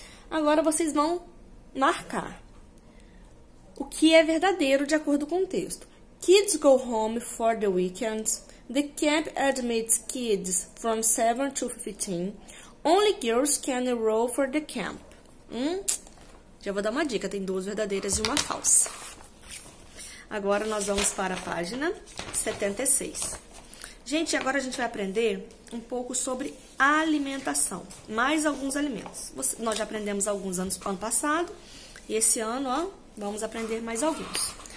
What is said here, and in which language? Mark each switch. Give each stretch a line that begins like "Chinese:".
Portuguese: Agora vocês vão marcar o que é verdadeiro de acordo com o texto.
English: Kids go home for the weekends. The camp admits kids from 7 to 15. Only girls can enroll for the camp.
Portuguese: Já vou dar uma dica, tem duas verdadeiras e uma falsa. Agora nós vamos para a página 76. Gente, agora a gente vai aprender um pouco sobre alimentação, mais alguns alimentos. Nós já aprendemos alguns anos ano passado, e esse ano, ó, vamos aprender mais alguns.